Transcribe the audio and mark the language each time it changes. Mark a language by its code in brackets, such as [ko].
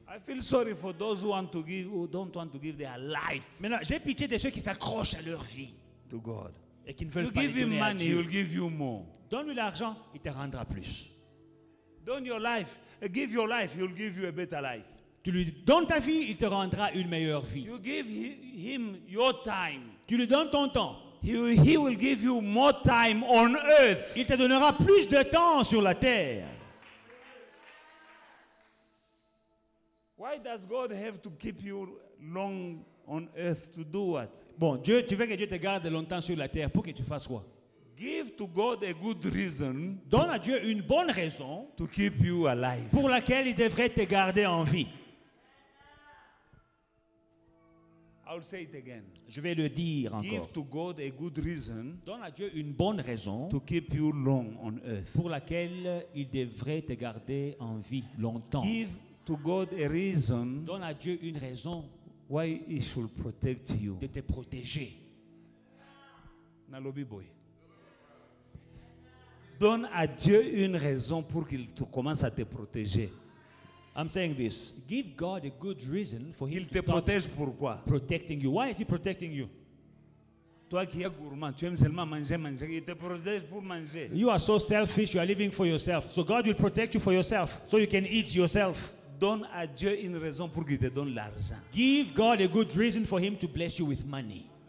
[en] I feel sorry for those who want to give, who don't want to give their life. [fr] Maintenant j'ai pitié de ceux qui s'accrochent à leur vie. [en] To God. [fr] Et qui ne veulent [en] you [fr] pas [en] give him [fr] donner [en] money, [fr] à Dieu. [en] He'll give you more. [fr] Donne-lui l'argent, il te rendra plus. Donne [en] your life. Give your life, he'll give you a better life. [fr] Tu lui donnes ta vie, il te rendra une meilleure vie. [en] You give him your time. [fr] Tu lui donnes ton temps. [en] He will give you more time on earth. [fr] Il te donnera plus de temps sur la terre. [en] Why does God have to keep you long on earth to do what? [fr] Bon, Dieu, tu veux que Dieu te garde longtemps sur la terre pour que tu fasses quoi? [en] Give to God a good reason. [fr] Donne à Dieu une bonne raison [en] to keep you alive. [fr] Pour laquelle il devrait te garder en vie. [en] I'll say it again. [fr] Je vais le dire encore. [en] Give to God a good reason. [fr] Donne à Dieu une bonne raison. [en] To keep you long on earth. [fr] Pour laquelle il devrait te garder en vie longtemps. [en] Give to God a reason. [fr] Donne à Dieu une raison. [en] Why he should protect you. [fr] De te protéger. Na lobby boy. Donne à Dieu une raison pour qu'il te commence à te protéger. [en] I'm saying this. Give God a good reason for him to [fr] protège pourquoi? [en] Protecting you. Why is he protecting you? [fr] Toi qui es gourmand, tu aimes seulement manger, manger. Il te protège pour manger. [en] You are so selfish. You are living for yourself. So God will protect you for yourself, so you can eat yourself. [fr] Donne à Dieu une raison pour qu'il te donne l'argent. [en] Give God a good reason for him to bless you with money.